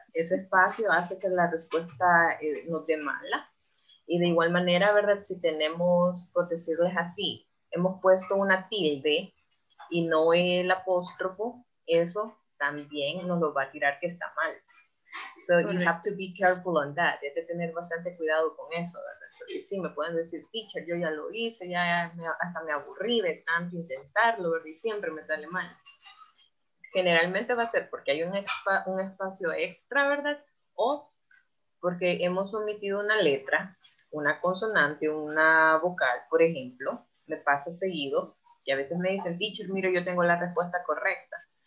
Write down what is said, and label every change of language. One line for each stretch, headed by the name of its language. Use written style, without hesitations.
Spanish: Ese espacio hace que la respuesta nos dé mala. Y de igual manera, ¿verdad? Si tenemos, por decirles así, hemos puesto una tilde y no el apóstrofo, eso también nos lo va a tirar que está mal.
English: So you have to be careful on that.
Spanish: Hay que tener bastante cuidado con eso, ¿verdad? Porque sí, me pueden decir, teacher, yo ya lo hice, ya hasta me aburrí de tanto intentarlo, ¿verdad? Y siempre me sale mal. Generalmente va a ser porque hay un espacio extra, ¿verdad? O porque hemos omitido una letra, una consonante, una vocal, por ejemplo, me pasa seguido, y a veces me dicen, teacher, mire, yo tengo la respuesta correcta.